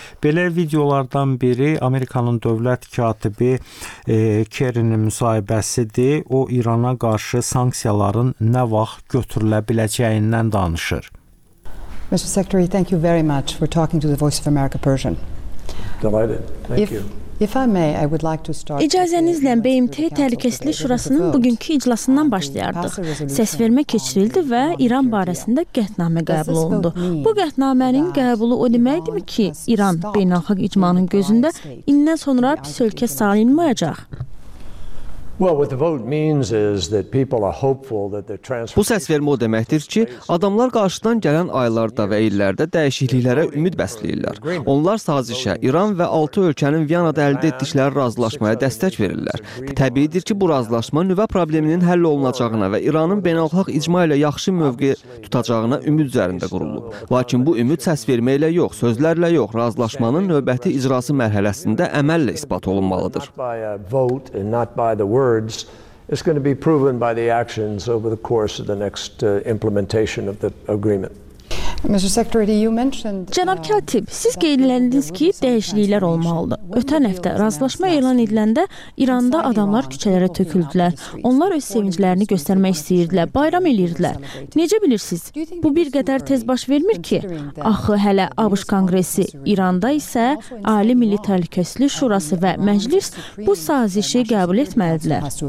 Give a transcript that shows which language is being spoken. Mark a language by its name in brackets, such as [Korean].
[Azerbaijani] Belə videolardan biri Amerikanın dövlət katibi Kerinin müsahibəsidir. O, İrana qarşı sanksiyaların nə vaxt götürülə biləcəyindən danışır. [English] Mr. Secretary, thank you very much for talking to the Voice of America Persian. Delighted. Thank you. If I may, I would like to start. [Azerbaijani] İcazənizlə BMT Təhlükəsizlik Şurasının bugünkü iclasından başlayardıq. Səsvermə keçirildi və İran barəsində qətnamə qəbul olundu. Bu qətnamənin qəbulu o deməkdir ki, İran beynəlxalq icmanın gözündə indən sonra pis ölkə sayılmayacaq. [English] Well, what the vote means is that people are hopeful that the transfer. [Azerbaijani] Bu səsvermə o deməkdir ki, adamlar qarşıdan gələn aylarda və illərdə dəyişikliklərə ümid bəsləyirlər. Onlar sazişə İran və 6 ölkənin Viyanada əldə etdikləri razılaşmaya dəstək verirlər. Təbiidir ki, bu razılaşma nüvə probleminin həll olunacağına və İranın beynəlxalq icma ilə yaxşı mövqe tutacağına ümid üzərində qurulub. Lakin bu ümid səsvermə ilə yox, sözlərlə yox, razılaşmanın növbəti icrası mərhələsində əməllə isbat olunmalıdır. [English] Words is going to be proven by the actions over the course of the next implementation of the agreement. Mr. Secretary, you mentioned. [Azerbaijani] Cənab katib, siz qeyd etdiniz ki, dəyişikliklər olmalıdır. Ötən həftə razılaşma elan ediləndə İranda adamlar küçələrə töküldülər. Onlar öz sevinclərini göstərmək istəyirdilər, bayram eləyirdilər. Necə bilirsiniz? Bu bir qədər tez baş vermir ki? Axı hələ ABŞ Konqresi, İranda isə Ali Milli Təhlükəsizlik Şurası və Məclis bu sazişi qəbul etməlidirlər.